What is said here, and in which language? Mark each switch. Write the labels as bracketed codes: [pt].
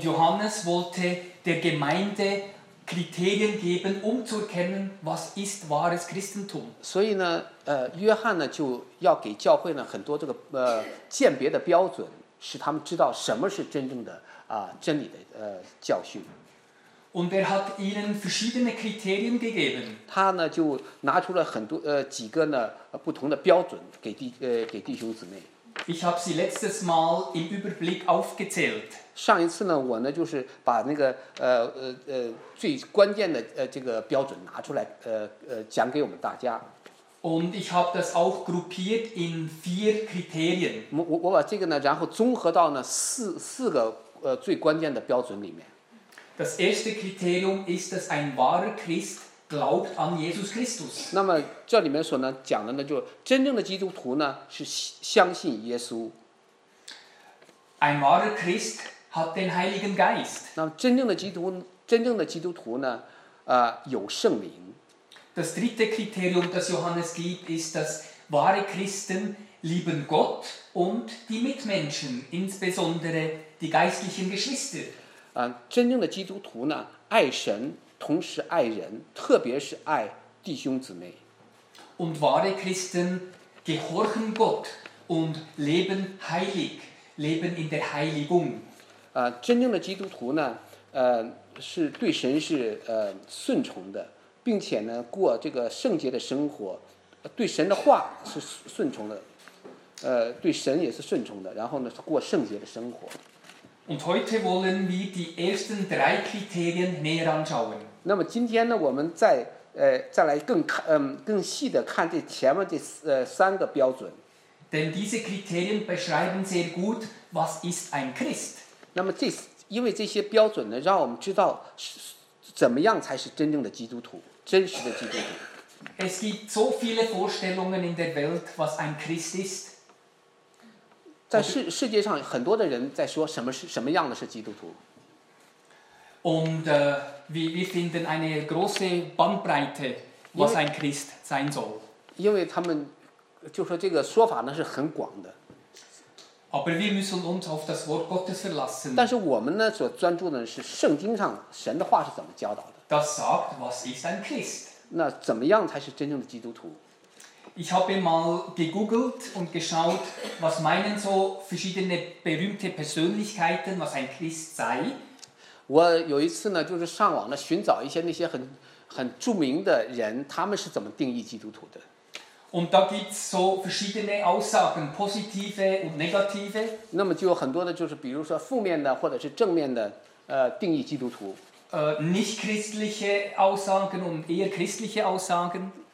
[de] Und Johannes wollte der Gemeinde Kriterien geben, zu erkennen, was ist wahres Christentum. [zh] 所以呢，约翰呢就要给教会呢很多这个鉴别的标准，使他们知道什么是真正的真理的教训。 [de] Und hat ihnen verschiedene Kriterien gegeben. [zh] 他呢就拿出了很多几个呢不同的标准给弟兄姊妹。 [de] Ich habe sie letztes Mal im Überblick aufgezählt. [zh] 上一次呢，我呢就是把那个最关键的这个标准拿出来讲给我们大家。 [de] Und ich habe das auch gruppiert in vier Kriterien. [zh] 我把这个呢，然后综合到呢四个最关键的标准里面。 [de] Das erste Kriterium ist, dass ein wahrer Christ glaubt an Jesus Christus. [zh] 那么这里面所呢讲的呢，就真正的基督徒呢是相信耶稣。 [de] Ein wahrer Christ hat den Heiligen Geist. [zh] 那么真正的基督徒呢，有圣灵。 [de] Das dritte Kriterium, das Johannes gibt, ist, dass wahre Christen lieben Gott und die Mitmenschen, insbesondere die geistlichen Geschwister. [zh] 真正的基督徒呢，爱神，同时爱人，特别是爱弟兄姊妹。 [de] Und wahre Christen gehorchen Gott und leben heilig. Leben in der Heiligung. [zh] 真正的基督徒呢，是对神是顺从的，并且呢过这个圣洁的生活，对神的话是顺从的，对神也是顺从的，然后呢过圣洁的生活。 [de] Und heute wollen wir die ersten drei Kriterien näher anschauen. [zh] 那么今天呢，我们再来更细的看这前面这三个标准。 [de] Denn diese Kriterien beschreiben sehr gut, was ist ein Christ. [zh] 那么因为这些标准呢，让我们知道怎么样才是真正的基督徒，真实的基督徒。 [de] Es gibt so viele Vorstellungen in der Welt, was ein Christ ist. [zh] 在世界上，很多的人在说什么样的是基督徒。 [de] Und wir finden eine große Bandbreite, was ein Christ sein soll. [zh] 因为他们就说这个说法呢是很广的。 [de] Aber wir müssen uns auf das Wort Gottes verlassen. [zh] 但是我们呢所专注的是圣经上神的话是怎么教导的。 [de] Das sagt, was ist ein Christ? [zh] 那怎么样才是真正的基督徒？ [de] Ich habe mal gegoogelt und geschaut, was meinen so verschiedene berühmte Persönlichkeiten, was ein Christ sei. [zh] 我有一次呢就是上网呢寻找一些那些很著名的人，他们是怎么定义基督徒的。 [de] Und da gibt's so verschiedene Aussagen, positive und negative. [zh] 那么就有很多的，就是比如说负面的或者是正面的，定义基督徒。 [de] Nicht christliche Aussagen und eher christliche Aussagen.